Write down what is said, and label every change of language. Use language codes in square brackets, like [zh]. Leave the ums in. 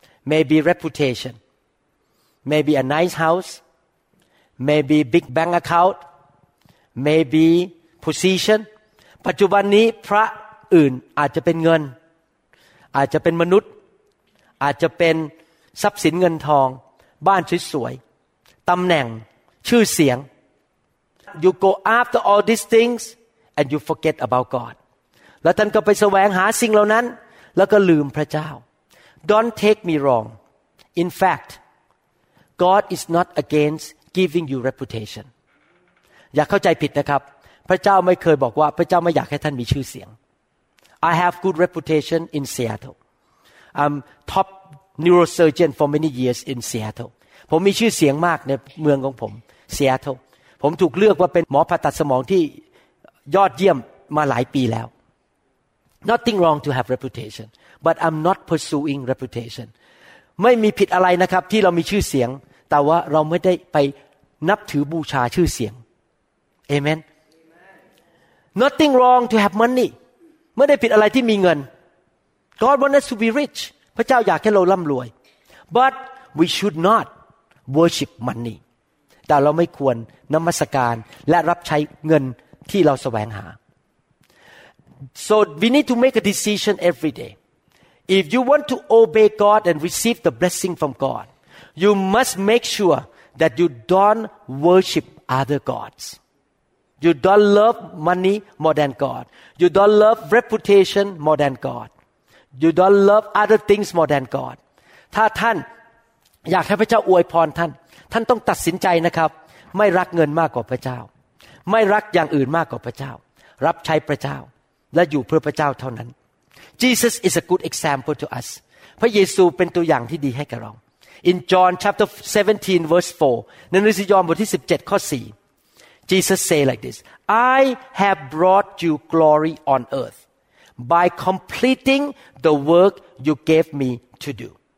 [en] maybe reputation maybe a nice house maybe big bank account maybe position [th] ปัจจุบันนี้พระอื่นอาจจะเป็นเงิน อาจจะเป็นมนุษย์ อาจจะเป็นทรัพย์สินเงินทอง บ้านชสวย ตำแหน่ง ชื่อเสียง [en] you go after all these things and you forget about God [th] แล้วท่านก็ไปแสวงหาสิ่งเหล่านั้น แล้วก็ลืมพระเจ้า [en] Don't take me wrong. In fact, God is not against giving you reputation. [th] อย่าเข้าใจผิดนะครับ พระเจ้าไม่เคยบอกว่าพระเจ้าไม่อยากให้ท่านมีชื่อเสียง [en] I have good reputation in Seattle. I'm top neurosurgeon for many years in Seattle. [th] ผมมีชื่อเสียงมากในเมืองของผม Seattle. ผมถูกเลือกว่าเป็นหมอผ่าตัดสมองที่ยอดเยี่ยมมาหลายปีแล้ว [en] nothing wrong to have reputation but I'm not pursuing reputation [th] ไม่มีผิดอะไรนะครับที่เรามีชื่อเสียงแต่ว่าเราไม่ได้ไปนับถือบูชาชื่อเสียงเอเมน [en] nothing wrong to have money [th] ไม่ได้ผิดอะไรที่มีเงิน [en] God wants us to be rich [th] พระเจ้าอยากให้เราล่ำรวย [en] but we should not worship money [th] แต่เราไม่ควรนมัสการและรับใช้เงินที่เราแสวงหา [en] So we need to make a decision every day. If you want to obey God and receive the blessing from God, you must make sure that you don't worship other gods. You don't love money more than God. You don't love reputation more than God. You don't love other things more than God. you you, you to have God God. [th] a ถ้าท่านอยากให้พระเจ้าอวยพรท่านท่านต้องตัดสินใจนะครับไม่รักเงินมากกว่าพระเจ้าไม่รักอย่างอื่นมากกว่าพระเจ้ารับใช้พระเจ้าและอยู่เพื่อพระเจ้าเท่านั้น [en] Jesus is a good example to us [th] พระเยซูเป็นตัวอย่างที่ดีให้กับเรา [en] In John chapter 17 verse 4 [th] ในหนังสือยอห์นบทที่17ข้อ4 [en] Jesus say like this I have brought you glory on earth by completing the work you gave me to do